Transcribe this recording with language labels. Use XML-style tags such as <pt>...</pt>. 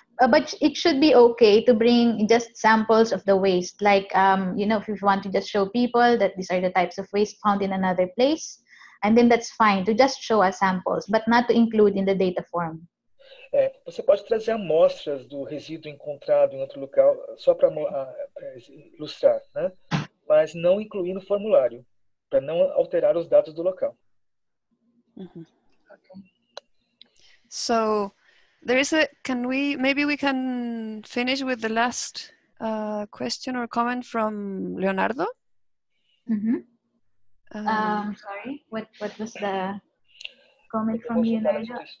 <en>But it should be okay to bring just samples of the waste, like, you know, if you want to just show people that these are the types of waste found in another place, and then that's fine to just show us samples, but not to include in the data form.</en> <pt>Você pode trazer amostras do resíduo encontrado em outro local só para ilustrar, né? Mas não incluir no formulário, para não alterar os dados do local. Mm-hmm.</pt> <en>So, there is a, can we, maybe we can finish with the last question or comment from Leonardo? Sorry, what was the comment from Leonardo?</en>